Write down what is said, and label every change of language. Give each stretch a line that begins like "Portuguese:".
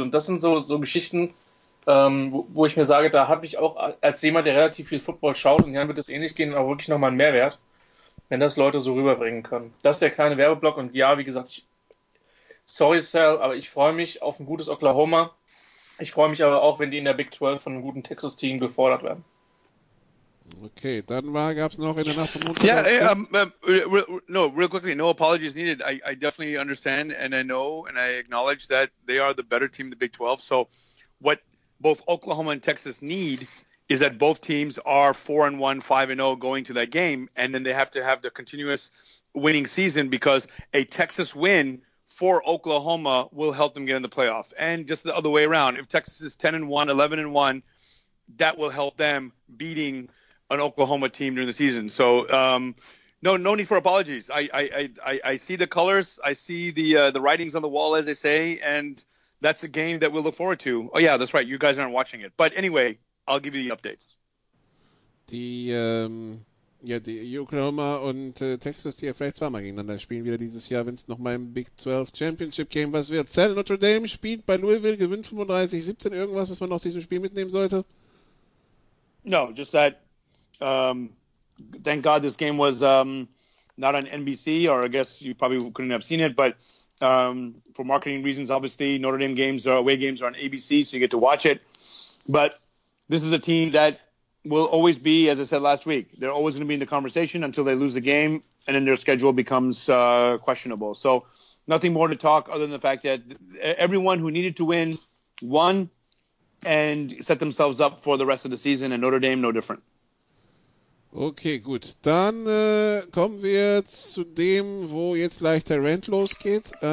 German: Und das sind so Geschichten, wo ich mir sage, da habe ich auch als jemand, der relativ viel Football schaut, und dann wird es ähnlich gehen, auch wirklich nochmal einen Mehrwert, wenn das Leute so rüberbringen können. Das ist der kleine Werbeblock. Und ja, wie gesagt, sorry, Sal, aber ich freue mich auf ein gutes Oklahoma. Ich freue mich aber auch, wenn die in der Big 12 von einem guten Texas-Team gefordert werden. Okay, dann gab es noch in der Nacht vom
English: Montag. Real quickly, no apologies needed. I definitely understand and I know and I acknowledge that they are the better team in the Big 12. So what both Oklahoma and Texas need is that both teams are 4-1, 5-0 going to that game, and then they have to have the continuous winning season, because a Texas win for Oklahoma will help them get in the playoff. And just the other way around, if Texas is 10-1, 11-1, that will help them beating an Oklahoma team during the season. So no need for apologies. I see the colors. I see the writings on the wall, as they say, and that's a game that we'll look forward to. Oh, yeah, that's right. You guys aren't watching it. But anyway, I'll give you the updates.
German: Die Oklahoma und Texas, die ja vielleicht zweimal gegeneinander spielen wieder dieses Jahr, wenn es nochmal im Big 12 Championship Game was wird. Sal Notre Dame spielt bei Louisville, gewinnt 35-17, irgendwas, was man aus diesem Spiel mitnehmen sollte?
English: No, just that thank God this game was not on NBC, or I guess you probably couldn't have seen it, but for marketing reasons, obviously, Notre Dame games or away games are on ABC, so you get to watch it. But this is a team that will always be, as I said last week, they're always going to be in the conversation until they lose the game, and then their schedule becomes questionable. So nothing more to talk other than the fact that everyone who needed to win won and set themselves up for the rest of the season, and Notre Dame no different.
German: Okay, gut. Dann kommen wir zu dem, wo jetzt gleich der Rant losgeht.